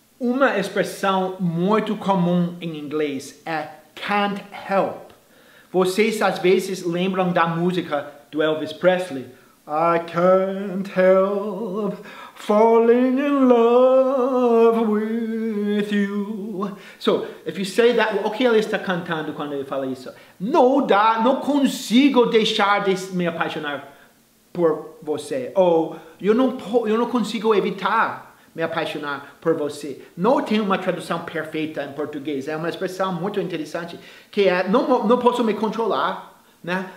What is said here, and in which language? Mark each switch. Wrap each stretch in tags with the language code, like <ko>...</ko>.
<pt>Uma expressão muito comum em inglês é can't help. Vocês às vezes lembram da música do Elvis Presley?</pt> <en>I can't help falling in love with you. So, if you say that,</en> <pt>o que ela está cantando quando ele fala isso? Não dá, não consigo deixar de me apaixonar por você. Ou, eu não consigo evitar me apaixonar por você. Não tem uma tradução perfeita em português. É uma expressão muito interessante, que é, não posso me controlar, né?</pt>